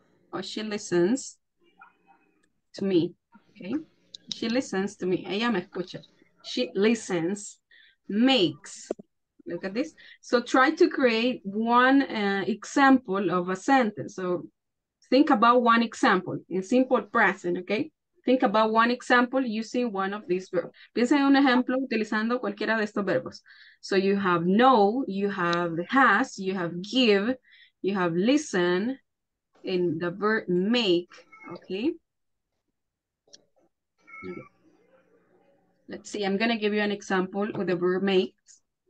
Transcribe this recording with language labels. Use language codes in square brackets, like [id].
[en] Or she listens to me. Okay. She listens to me. [es] Ella me escucha. [en] She listens, makes. Look at this. So try to create one example of a sentence. So think about one example in simple present, okay? Think about one example using one of these verbs. [es] Piensa en un ejemplo utilizando cualquiera de estos verbos. [en] So you have know, you have has, you have give, you have listen, in the verb make, okay? Let's see, I'm going to give you an example with the verb makes.